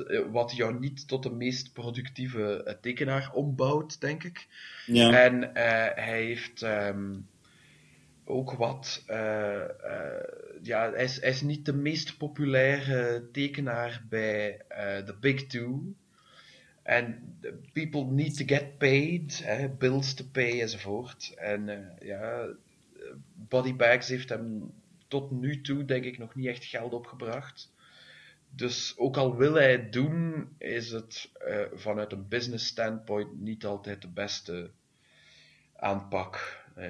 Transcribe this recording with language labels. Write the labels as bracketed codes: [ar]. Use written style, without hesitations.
[nl] Wat jou niet tot de meest productieve tekenaar ombouwt, denk ik. Ja. En hij heeft... ook wat... hij is niet de meest populaire tekenaar bij The Big Two. [en] En people need to get paid, bills to pay enzovoort. [nl] En Body Bags heeft hem tot nu toe, denk ik, nog niet echt geld opgebracht. Dus ook al wil hij het doen, is het vanuit een business standpoint niet altijd de beste aanpak.